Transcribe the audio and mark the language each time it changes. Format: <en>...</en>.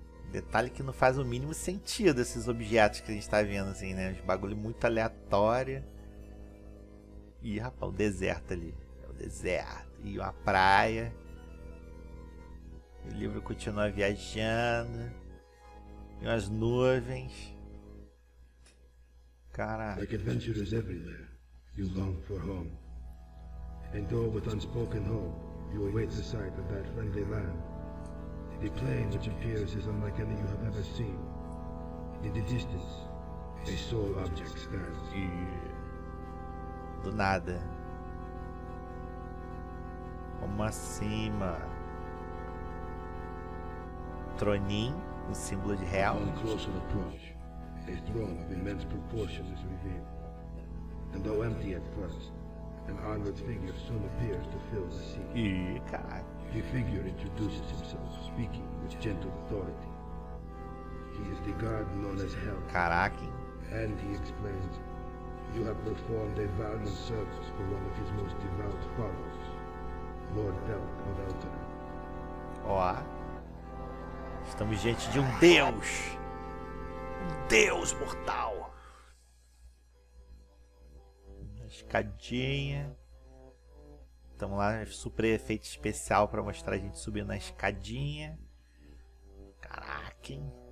<pt>Detalhe que não faz o mínimo sentido esses objetos que a gente tá vendo, assim, né? Os bagulho muito aleatório. Ih, rapaz, o deserto ali. É o deserto. E uma praia. O livro continua viajando. E umas nuvens. Caraca.</pt> <en>Like adventurers everywhere, you long for home. And though with unspoken hope, you await the sight of that friendly land. The plain which appears is unlike any you have ever seen. In the distance, a sole object stands.</en> <pt>Do nada. Como assim, mano? Tronin, o símbolo de real.</pt> <en>Um closer approach. A throne of immense proportions is revealed. And though empty at first, an armored figure soon appears to fill the sea. The figure introduces himself, speaking with gentle authority. He is the god known as Hel.</en> <pt>Caraca.</pt> <en>And he explains, you have performed a valiant service for one of his most devout followers, Lord Belk of Eltar.</en> <pt>Ó. Estamos diante de um deus. Deus mortal. Uma escadinha. Estamos lá, super efeito especial para mostrar a gente subindo na escadinha. Caraca, hein?</pt>